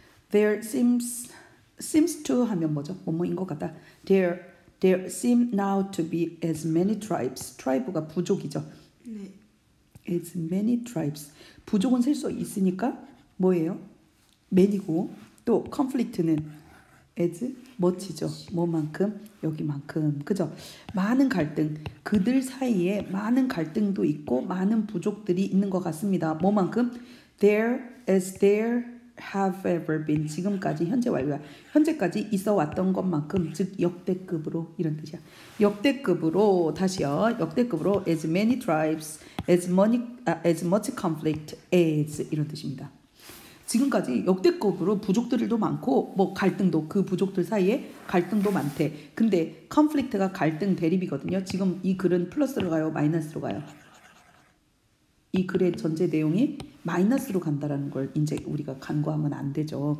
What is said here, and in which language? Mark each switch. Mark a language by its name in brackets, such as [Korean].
[English] There seems to [Korean] 하면 뭐죠? 뭐뭐인 것 같다. [English] There seem now to be as many tribes. [Korean] Tribe가 부족이죠. Mm. 네. [English] As many tribes. [Korean] 부족은 셀수 있으니까 뭐예요? many고 또 conflict는 as much죠. 뭐만큼? 여기만큼. 그죠? 많은 갈등. 그들 사이에 많은 갈등도 있고 많은 부족들이 있는 것 같습니다. 뭐만큼? [English] As there have ever been. [Korean] 지금까지 현재 완료야. 현재까지 있어 왔던 것만큼 즉 역대급으로 이런 뜻이야. 역대급으로 다시요. 역대급으로 [English] as many tribes, as much conflict as [Korean] 이런 뜻입니다. 지금까지 역대급으로 부족들도 많고 뭐 갈등도 그 부족들 사이에 갈등도 많대. 근데 conflict가 갈등 대립이거든요. 지금 이 글은 플러스로 가요, 마이너스로 가요. 이 글의 전제 내용이 마이너스로 간다라는 걸 이제 우리가 간과하면 안 되죠.